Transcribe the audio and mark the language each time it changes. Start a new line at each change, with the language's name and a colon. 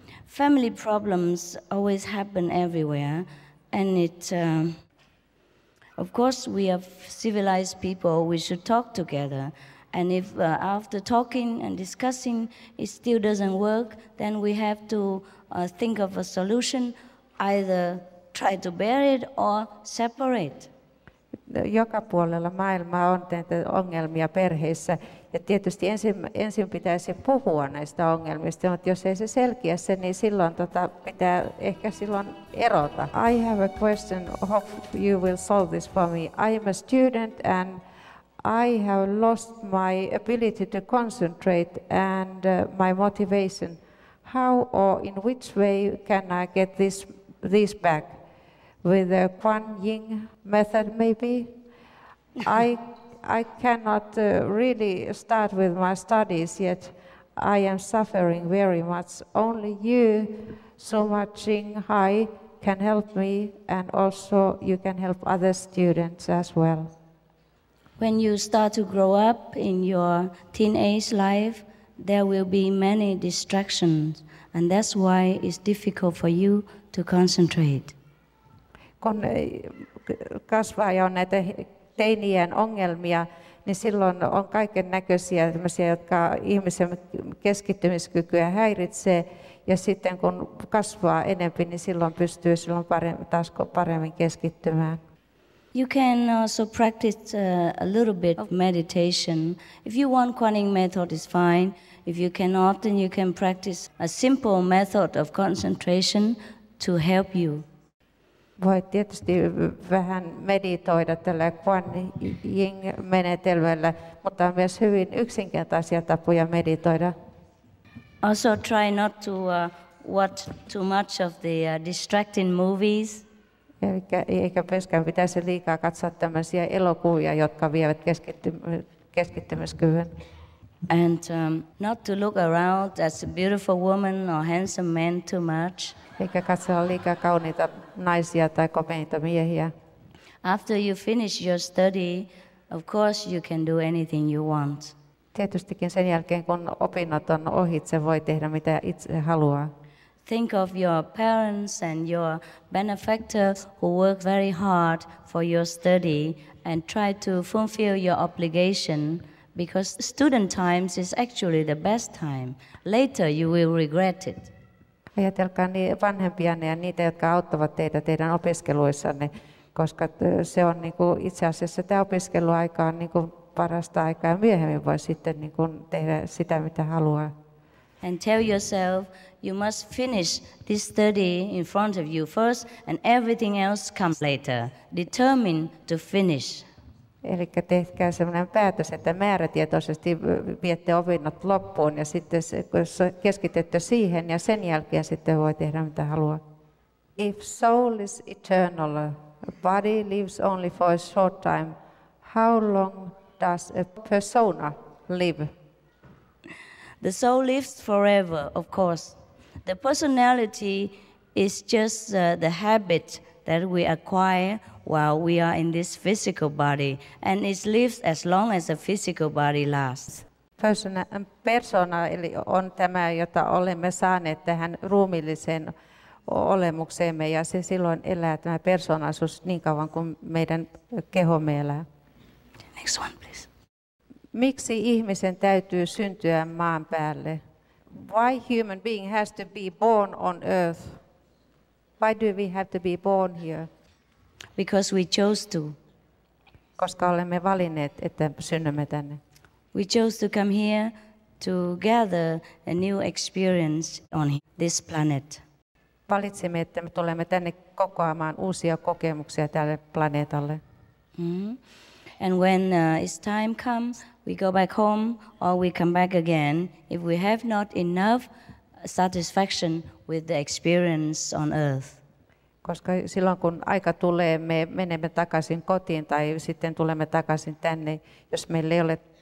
English: Family problems always happen everywhere, and it of course we are civilized people, we should talk together, And if after talking and discussing it still doesn't work, then we have to think of a solution, either try to bear it or separate.
Finnish: Joka puolella maailmaa on näitä ongelmia perheissä. Ja tietysti ensin pitäisi puhua näistä ongelmista, mutta jos ei se selkiä se, niin silloin pitää ehkä silloin erota.
English: I have a question, hope you will solve this for me. I am a student and I have lost my ability to concentrate and my motivation. How or in which way can I get this back? With the Quan Yin method, maybe. I cannot really start with my studies yet. I am suffering very much. Only you, Suma Ching Hai, can help me, and also you can help other students as well. When you start to grow up in your teenage life, there will be many distractions, and that's why it's difficult for you to concentrate.
Finnish: Kun kasvaa ja on näitä teinien ongelmia, niin silloin on kaiken näköisiä tämmöisiä, jotka ihmisen keskittymiskykyä häiritsee. Ja sitten kun kasvaa enempi, niin silloin pystyy silloin paremmin keskittymään.
English: You can also practice a little bit of meditation. If you want Quan Yin method, it's fine. If you cannot, then you can practice a simple method of concentration to help you.
Finnish: Voit tietysti vähän meditoida tällä Quan Yin-menetelmällä, mutta on myös hyvin yksinkertaisia tapoja meditoida.
English: Also try not to watch too much of the distracting movies.
Finnish: Eikä myöskään pitäisi liikaa katsoa tämmöisiä elokuvia, jotka vievät keskittymiskyvyn.
English: And not to look around as a beautiful woman or handsome man too much.
Finnish: Eikä katsoa liikaa kauniita naisia tai komeita miehiä.
English: After you finish your study, of course you can do anything you want.
Finnish: Tietystikin sen jälkeen, kun opinnot on ohi, se voi tehdä mitä itse haluaa.
English: Think of your parents and your benefactor who work very hard for your study and try to fulfill your obligation. Because student times is actually the best time. Later you will regret it.
Finnish: Ajatelkaa niin vanhempianne ja niitä, jotka auttavat teitä teidän opiskeluissanne, koska se on niin kuin, itse asiassa tämä opiskeluaika on niin kuin, parasta aikaa. Myöhemmin voi sitten niin kuin, tehdä sitä, mitä haluaa.
English: And tell yourself, you must finish this study in front of you first, and everything else comes later. Determine to finish.
Finnish: Eli tehkää sellainen päätös, että määrätietoisesti viette opinnot loppuun ja sitten keskitytte siihen ja sen jälkeen sitten voi tehdä mitä haluaa.
English: If soul is eternal, body lives only for a short time, how long does a persona live? The soul lives forever, of course. The personality is just the habit that we acquire while we are in this physical body, and it lives as long as the physical body lasts.
Finnish: Persona eli on tämä, jota olemme saaneet tähän ruumiilliseen olemukseemme, ja se silloin elää tämä persoonallisuus niin kauan kuin meidän kehomme elää.
English: Next one, please.
Finnish: Miksi ihmisen täytyy syntyä maan päälle?
English: Why human being has to be born on earth? Why do we have to be born here? Because we chose to.
Finnish: Koska olemme valinneet, että synnymme tänne.
English: We chose to come here to gather a new experience on this planet.
Finnish: Valitsimme, että me tulemme tänne kokoamaan uusia kokemuksia tälle planeetalle. Mm-hmm.
English: And when it's time comes, we go back home or we come back again if we have not enough satisfaction with the experience on earth.
Finnish: Koska silloin kun aika tulee, me menemme takaisin kotiin tai sitten tulemme takaisin tänne, jos meillä ei ole.